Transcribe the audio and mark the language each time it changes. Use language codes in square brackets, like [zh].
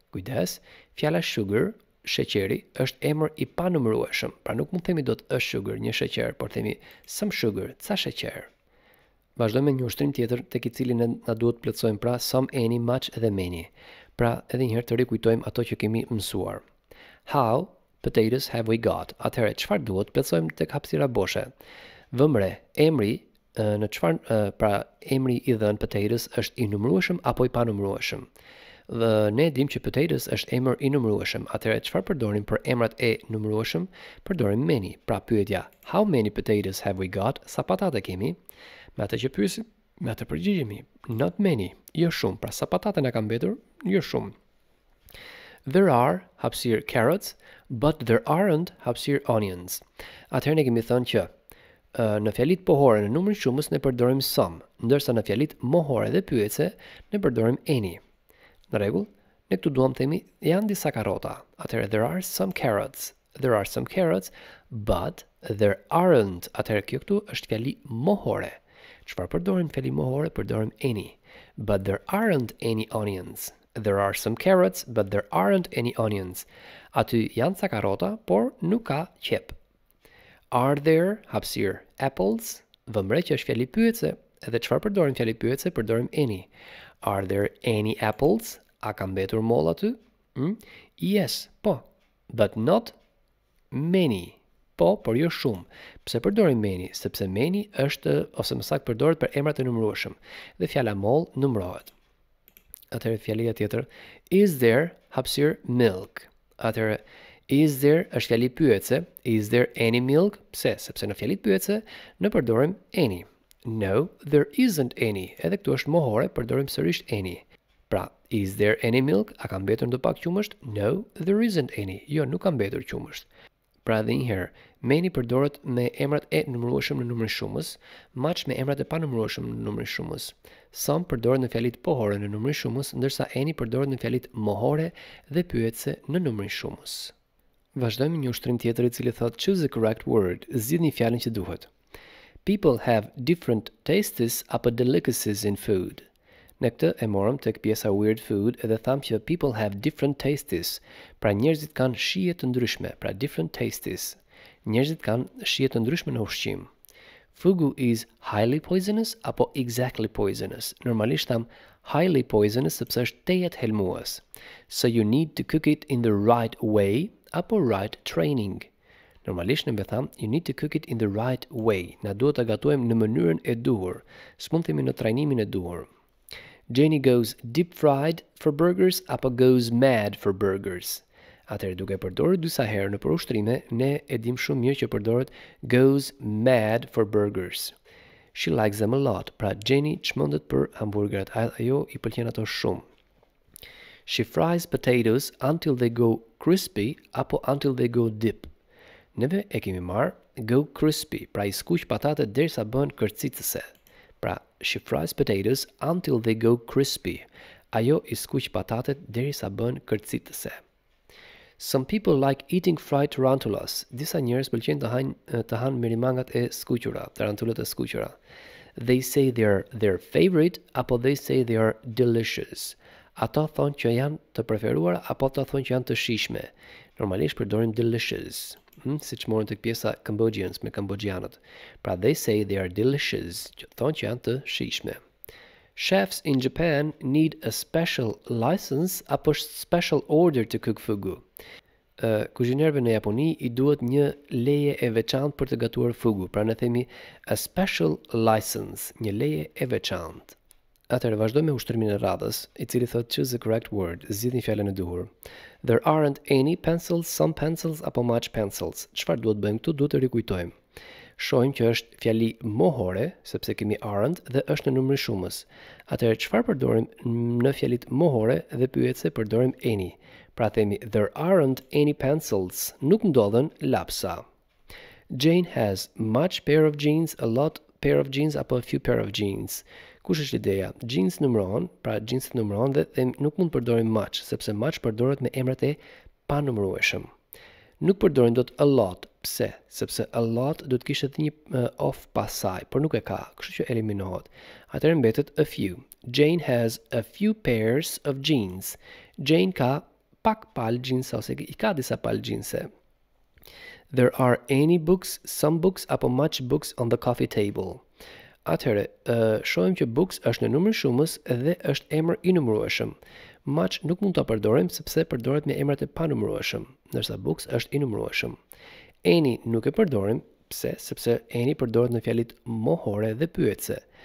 [sq] Kujdes, fjala sugar, sheqeri, është emër i panumërueshëm. Pra nuk mund themi do të a sugar, një sheqer, por themi [en] some sugar, [sq] ca sheqer. Vazhdojmë me një ushtrim tjetër tek i cili ne na duhet plotësojmë pra some any much dhe many. Pra edhe një herë të rikujtojmë ato që kemi mësuar. [en] How potatoes have we got? [sq] Atëherë çfarë duhet? Plotësojmë tek hapësira boshe. Vëmre, emri në çfarë pra emri i dhënë potatoes është i numërueshëm apo i panumërueshëm? Dhe ne dim që potatoes është emër i numërueshëm. Atëherë çfarë përdorim për emrat e numërueshëm? Përdorim many. Pra pyetja, [en] how many potatoes have we got? [sq] Sa patate kemi? Me atë që pyesim, me atë përgjigjemi. [en] Not many. [sq] Jo shumë. Pra sa patate na ka mbetur? Jo shumë. [en] There are, [sq] hapsir, [en] carrots, but there aren't, hapsir, onions. [sq] Atëherë ne kemi thënë që në fjalit pohore në numërin shumës ne përdorim some, ndërsa në fjalit mohore dhe pyetëse ne përdorim any. Në rregull, ne këtu duam të themi janë disa karrota. Atëherë [en] there are some carrots. There are some carrots, but there aren't. [sq] Atëherë kjo këtu është fjali mohore. Çfarë përdorim fjali mohore? Përdorim any. [en] But there aren't any onions. There are some carrots, but there aren't any onions. [sq] Aty janë ca karrota, por nuk ka qep. [en] Are there, [sq] hapsir, [en] apples? [sq] Vëmre që është fjali pyetëse, edhe çfarë përdorim fjali pyetëse? Përdorim any. [en] Are there any apples? [sq] A ka mbetur moll aty? Yes, po. [en] But not many. [sq] Po, por jo shumë. Pse përdorim many? Sepse many është, ose më saktë përdoret për emrat e numërueshëm. Dhe fjala mall numërohet. Atëherë fjalia tjetër, [en] is there hapësir milk? Atëherë is there [sq] është fjali pyetëse, [en] is there any milk? Pse? [sq] Sepse në fjali pyetëse në përdorim any. [en] No, there isn't any. [sq] Edhe këtu është mohore, përdorim sërish any. Pra, [en] is there any milk? [sq] A ka mbetur ndopak qumësht? [en] No, there isn't any. [sq] Jo, nuk ka mbetur qumësht. Pra dhe njëherë, many përdoret me emrat e numërueshëm në numërin shumës, match me emrat e panumërueshëm në numërin shumës. Some përdoret në fjalit pohore në numërin shumës, ndërsa any përdoret në fjalit mohore dhe pyetëse në numërin shumës. Vazhdojmë një ushtrim tjetër i cili thotë [en] choose the correct word, [sq] zgjidhni fjalën që duhet. [en] People have different tastes [sq] apo [en] delicacies in food. [sq] Në këtë e morëm tek pjesa weird food edhe thamë që [en] people have different tastes, [sq] pra njerëzit kanë shije të ndryshme, pra different tastes. Njerëzit kanë shije të ndryshme në ushqim. [en] Fugu is highly poisonous [sq] apo [en] exactly poisonous? [sq] Normalisht thamë [en] highly poisonous [sq] sepse është tejet helmues. [en] So you need to cook it in the right way [sq] apo [en] right training? [sq] Normalisht ne thamë [en] you need to cook it in the right way. [sq] Na duhet ta gatuajmë në mënyrën e duhur. S'mund themi në trajnimin e duhur. [en] Jenny goes deep fried for burgers [sq] apo [en] goes mad for burgers? [sq] Atëherë duke përdorur disa herë në përushtrime, ne e dim shumë mirë që përdoret [en] goes mad for burgers. She likes them a lot. [sq] Pra Jenny çmendet për hamburgerat. Ajo i pëlqen ato shumë. [en] She fries potatoes until they go crispy [sq] apo [en] until they go deep. [sq] Neve e kemi marë [en] go crispy, [sq] pra i skuq patate derisa bëhen kërcitëse. Pra, [en] she fries potatoes until they go crispy. [sq] Ajo i skuq patatet derisa bëhen kërcitëse. [en] Some people like eating fried tarantulas. [sq] Disa njerëz pëlqejnë të hanë mirimangat e skuqura, tarantulat e skuqura. [en] They say they are their favorite, [sq] apo [en] they say they are delicious. [sq] Ata thonë që janë të preferuara apo ata thonë që janë të shijshme. Normalisht përdorim delicious, siç morën tek pjesa Cambodians me kambodxianët. Pra [en] they say they are delicious, [sq] që thonë që janë të shijshme. [en] Chefs in Japan need a special license [sq] apo [en] special order to cook fugu. [sq] Kuzhinierëve në Japoni i duhet një leje e veçantë për të gatuar fugu, pra ne themi [en] a special license, [sq] një leje e veçantë. Atëherë vazhdojmë me ushtrimin e radhës, i cili thotë [en] choose the correct word, [sq] zgjidhni fjalën e duhur. [en] There aren't any pencils, some pencils [sq] apo [en] much pencils. [sq] Çfarë duhet bëjmë këtu? Duhet të rikujtojmë. Shohim që është fjali mohore, sepse kemi aren't dhe është në numri shumës. Atëherë çfarë përdorim në fjalit mohore dhe pyetëse përdorim any. Pra themi [en] there aren't any pencils, [sq] nuk ndodhen lapsa. [en] Jane has much pair of jeans, a lot pair of jeans [sq] apo [en] a few pair of jeans. [sq] Kush është ideja? Jeans numërohen, pra jeans numërohen dhe nuk mund të përdorim much, sepse much përdoret me emrat e panumërueshëm. Nuk përdorim dot [en] a lot. [sq] Pse? Sepse a lot do të kishte një of pas saj, por nuk e ka, kështu që eliminohet. Atëherë mbetet a few. [en] Jane has a few pairs of jeans. [sq] Jane ka pak pal jeans ose i ka disa pal jeans. [en] There are any books, some books [sq] apo [en] much books on the coffee table. [sq] Atëherë, shohim që books është në numër shumës dhe është emër i numërueshëm. Much nuk mund ta përdorim sepse përdoret me emrat e panumërueshëm, ndërsa books është i numërueshëm. Any nuk e përdorim, pse? Sepse any përdoret në fjalit mohore dhe pyetëse.